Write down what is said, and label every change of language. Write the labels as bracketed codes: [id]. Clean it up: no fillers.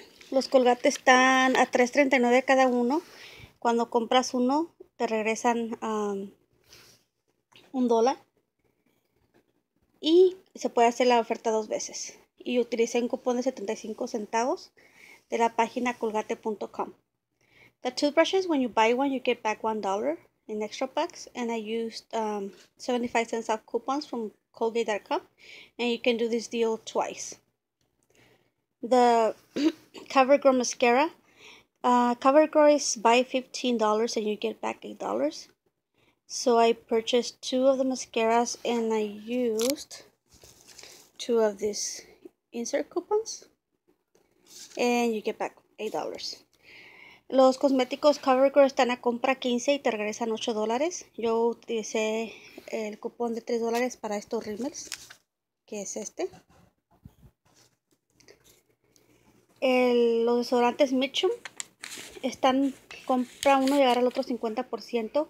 [es] Los Colgate están a $3.39 cada uno. Cuando compras uno, te regresan $1. Y se puede hacer la oferta dos veces. Y utilicé un cupón de 75 centavos de la página colgate.com. [en] The toothbrushes, when you buy one, you get back $1 in extra bucks. And I used 75 cents off coupons from Colgate.com. And you can do this deal twice. The CoverGirl mascara. CoverGirl is buy $15 and you get back $8. So I purchased two of the mascaras and I used two of these insert coupons. And you get back $8. [es] Los cosméticos CoverGirl están a compra $15 y te regresan $8. Yo utilicé el cupón de $3 para estos rímels, que es este. Los desodorantes Mitchum están, compra uno y agarra el otro 50%.